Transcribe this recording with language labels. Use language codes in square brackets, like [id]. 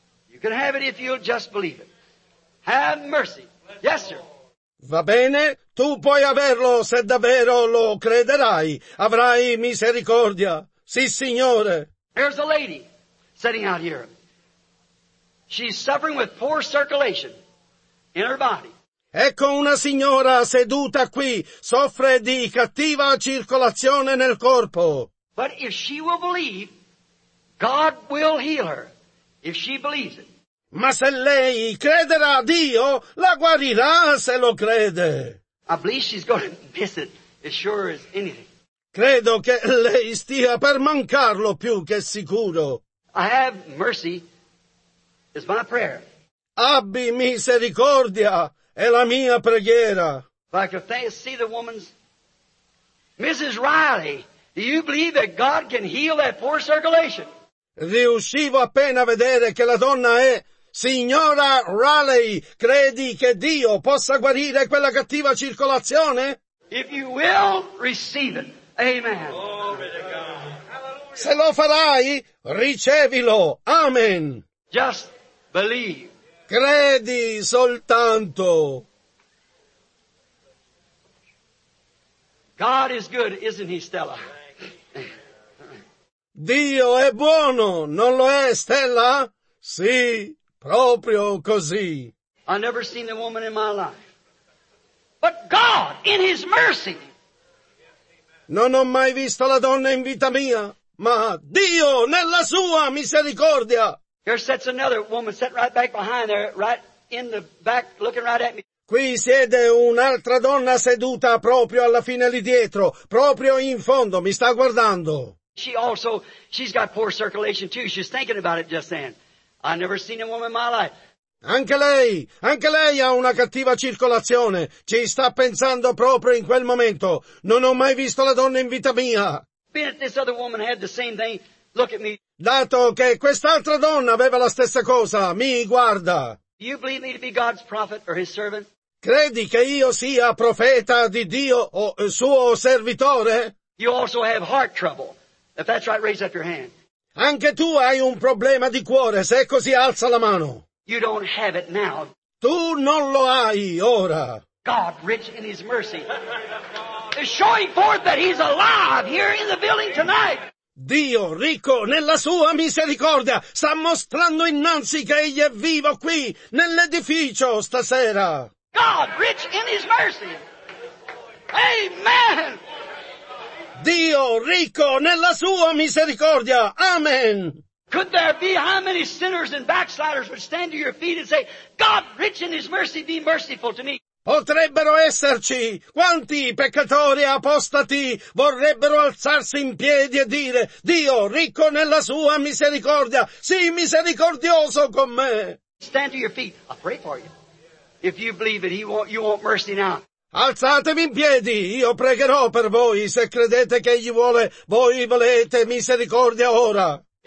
[en] You can have it if you'll just believe it. Have mercy. Yes, sir. [it] Va bene. Tu puoi averlo se davvero lo crederai. Avrai misericordia. Sì, signore. [en] There's a lady sitting out here. She's suffering with poor circulation in her body. [it] Ecco una signora seduta qui. Soffre di cattiva circolazione nel corpo. [en] But if she will believe, God will heal her, if she believes it. [it] Ma se lei crederà a Dio, la guarirà se lo crede. [en] I believe she's going to miss it, as sure as anything. [it] Credo che lei stia per mancarlo più che sicuro. [en] I have mercy, is my prayer. [it] Abbi misericordia, è la mia preghiera. [en] Like if they see the woman's, Mrs. Riley. Do you believe that God can heal that poor circulation? [it] Riuscivo appena a vedere che la donna è signora Raleigh. Credi che Dio possa guarire quella cattiva circolazione? [en] If you will receive it, amen. [it] Se lo farai, ricevilo, amen. [en] Just believe. [it] Credi soltanto. [en] God is good, isn't he, Stella? [it] Dio è buono, non lo è, Stella? Sì, proprio così. [en] I've never seen a woman in my life. But God, in his mercy. [it] Non ho mai visto la donna in vita mia, ma Dio nella sua misericordia. [en] Here sits another woman, sat right back behind there, right in the back, looking right at me. [it] Qui siede un'altra donna seduta proprio alla fine lì dietro, proprio in fondo, mi sta guardando. [en] She also, she's got poor circulation too. She's thinking about it just then. I've never seen a woman in my life. [it] Anche lei ha una cattiva circolazione. Ci sta pensando proprio in quel momento. Non ho mai visto la donna in vita mia. [en] But this other woman had the same thing. Look at me. [it] Dato che quest'altra donna aveva la stessa cosa, mi guarda. [en] Do you believe me to be God's prophet or his servant? [it] Credi che io sia profeta di Dio o suo servitore? [en] You also have heart trouble. If that's right, raise up your hand. [it] Anche tu hai un problema di cuore, se è così alza la mano. [en] You don't have it now. [it] Tu non lo hai ora. [en] God, rich in his mercy, is showing forth that he's alive here in the building tonight. [it] Dio, ricco nella sua misericordia, sta mostrando innanzi che egli è vivo qui, nell'edificio stasera. [en] God, rich in his mercy. Amen. [it] Dio ricco nella sua misericordia. Amen. [en] Could there be how many sinners and backsliders would stand to your feet and say, God rich in his mercy, be merciful to me? [it] Potrebbero esserci quanti peccatori apostati vorrebbero alzarsi in piedi e dire: Dio, ricco nella sua misericordia, sii misericordioso con me. [en] Stand to your feet. I'll pray for you. If you believe it, you want mercy now. [it] Alzatevi in piedi, io pregherò per voi se credete che egli vuole, voi volete misericordia ora.